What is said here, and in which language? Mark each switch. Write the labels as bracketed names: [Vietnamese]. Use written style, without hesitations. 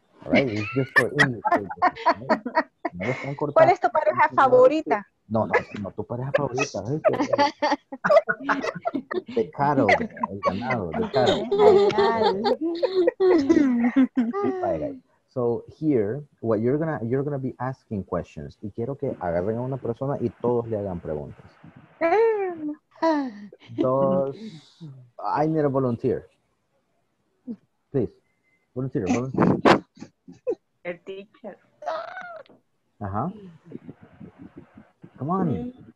[English] All right? It's just for English. [Spanish] ¿No están cortando? ¿Cuál es tu pareja favorita? No, no, no, tu pareja favorita. De caro, de caro, el ganado, de caro. [English] So here, what you're gonna be asking questions. [Spanish] Y quiero que agarren a una persona y todos le hagan preguntas. [English] Dos. I need a volunteer. Please. Volunteer, volunteer. [Spanish] El teacher. [English] Ajá. Come on.